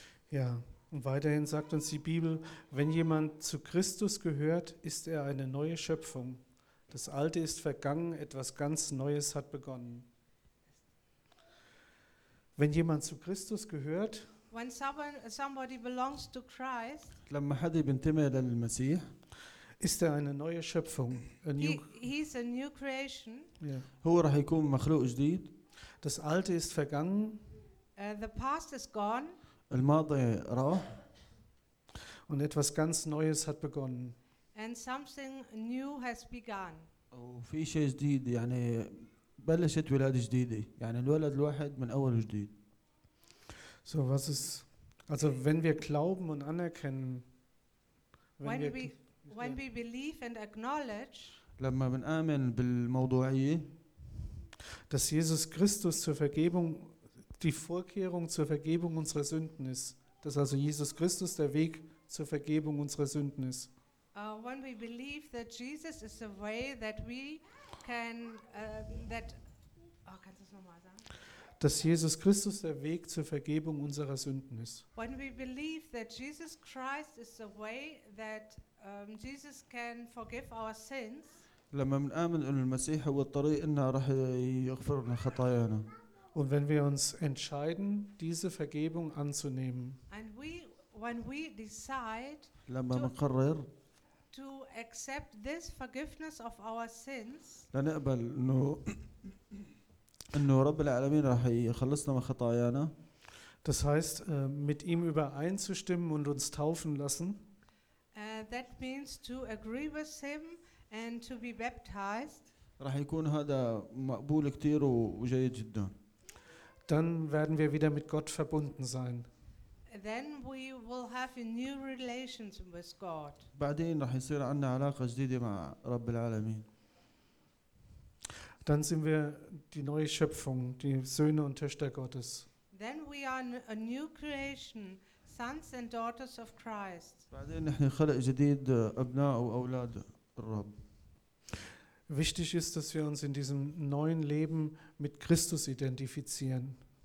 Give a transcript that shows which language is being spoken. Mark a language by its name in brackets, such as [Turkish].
[German] Ja, und weiterhin sagt uns die Bibel, wenn jemand zu Christus gehört, ist er eine neue Schöpfung. Das Alte ist vergangen, etwas ganz Neues hat begonnen. Wenn jemand zu Christus gehört, [English] when somebody belongs to Christ, [Arabic] لما حد بينتمي للمسيح, [German] ist er eine neue Schöpfung, [English] a new he's a new creation. [Arabic] Yeah. هو راح يكون مخلوق جديد. [German] Das Alte ist vergangen. [English] The past is gone. [Arabic] الماضي راح. [German] Und etwas ganz Neues hat begonnen. [English] And something new has begun. [Arabic] وفي شيء جديد يعني بلشت ولادة جديدة يعني الولد الواحد من أول جديد. [German] So was ist, also wenn wir glauben und anerkennen, [English] when we believe and acknowledge, [Arabic] لما بنآمن بالموضوعية, [German] dass Jesus Christus zur Vergebung, die Vorkehrung zur Vergebung unserer Sünden ist, dass also Jesus Christus der Weg zur Vergebung unserer Sünden ist. [English] When we believe that Jesus is the way that we can, [German] kannst du es nochmal sagen? Dass Jesus Christus der Weg zur Vergebung unserer Sünden ist. [English] When we believe that Jesus Christ is the way that Jesus can forgive our sins. [Arabic] لما منآمن إن المسيح هو الطريق إنه راح يغفر لنا خطايانا. [German] Und wenn wir uns entscheiden, diese Vergebung anzunehmen. [English] And we, when we decide. [Arabic] لما نقرر. [English] To accept this forgiveness of our sins. [Arabic] لنقبل إنه إنه رب العالمين راح يخلصنا من خطايانا. [German] Das heißt, mit ihm übereinzustimmen und uns taufen lassen. [English] That means to agree with him and to be baptized. [Arabic] راح يكون هذا مقبول كتير وجيد جدا. [German] Dann werden wir wieder mit Gott verbunden sein. [English] Then we will have a new relations with God. [Arabic] بعدين راح يصير عنا علاقة جديدة مع رب العالمين. [German] Dann sind wir die neue Schöpfung, die Söhne und Töchter Gottes. [English] Then we are a new creation, sons and daughters of Christ. [Arabic] بعدين نحن خلق جديد أبناء وأولاد الرب. [German] Wichtig ist, dass wir uns in diesem neuen Leben mit Christus identifizieren.